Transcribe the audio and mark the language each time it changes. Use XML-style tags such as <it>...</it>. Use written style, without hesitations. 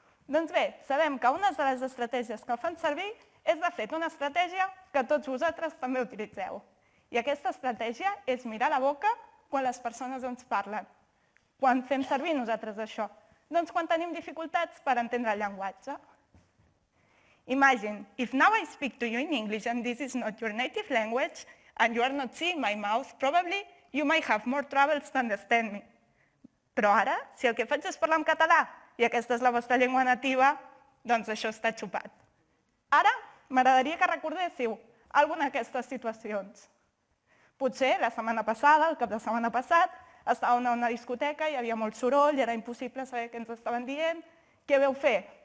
<ca>Doncs bé, sabem que una de les estratègies que fan servir és, de fet, una estratègia que tots vosaltres també utilitzeu. I aquesta estratègia és mirar la boca quan les persones ens parlen. Quan fem servir nosaltres això? Doncs quan tenim dificultats per entendre el llenguatge.</ca> <en>Imagine, if now I speak to you in English and this is not your native language and you are not seeing my mouth, probably you might have more troubles to understand me.</en> <ca>Però ara, si el que faig és parlar en català i aquesta és la vostra llengua nativa, doncs això està xupat. Ara, m'agradaria que recordéssiu alguna d'aquestes situacions. Potser la setmana passada, el cap de setmana passat, estàvem a una discoteca, hi havia molt soroll, era impossible saber què ens estaven dient. Què veu fer?</ca>